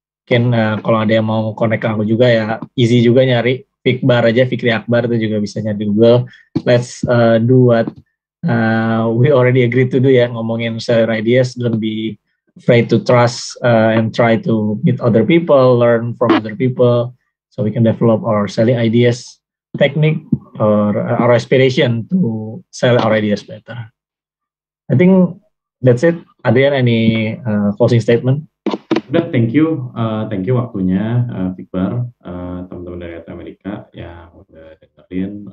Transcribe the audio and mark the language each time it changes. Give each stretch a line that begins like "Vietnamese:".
Indonesian: Mungkin kalau ada yang mau connect ke aku juga ya, easy juga nyari, Fikbar aja, Fikri Akbar itu juga bisa nyari di Google.
English: Let's do what we already agreed to do ya, ngomongin seller ideas, don't be afraid to trust and try to meet other people, learn from other people, so we can develop our selling ideas technique or our aspiration to sell our ideas better. I think that's it. Adrian, any closing statement?
Indonesian: Udah, thank you waktunya, Fikbar, teman-teman dari Amerika yang udah dengerin.